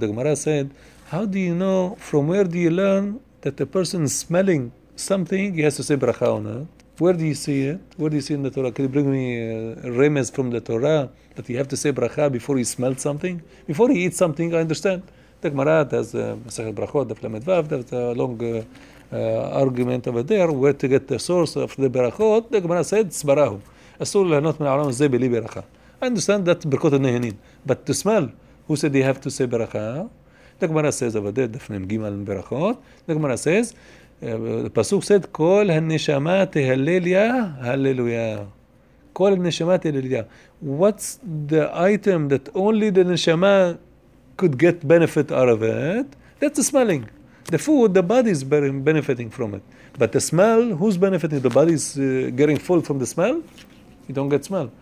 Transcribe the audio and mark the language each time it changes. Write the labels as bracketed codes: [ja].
[en] The Gemara said, how do you know, from where do you learn that the person smelling something, he has to say Bracha on it? Where do you see it? Where do you see in the Torah? Can you bring me remez from the Torah that you have to say Bracha before he smelled something? Before he eats something, I understand. The Gemara has Masechet Berachot, the Flamed Vav, that's a long argument over there, where to get the source of the Berachot. The Gemara said, Sbarahu. [he] אסור להנות מן העולם הזה בלי ברכה. [en] I understand that [he] ברכות הנהנים. [en] But to smell, who said you have to say ברכה? The Gemara says, [he] אבל זה דפני מגיעים על ברכות. The Gemara says, פסוק [en] said, [he] כל הנשמה תהלליה, הללויה. כל הנשמה תהלליה. [en] What's the item that only the נשמה could get benefit out of it? That's the smelling. The food, the body is benefiting from it. But the smell, who's benefiting? The body is getting full from the smell? You don't get smell.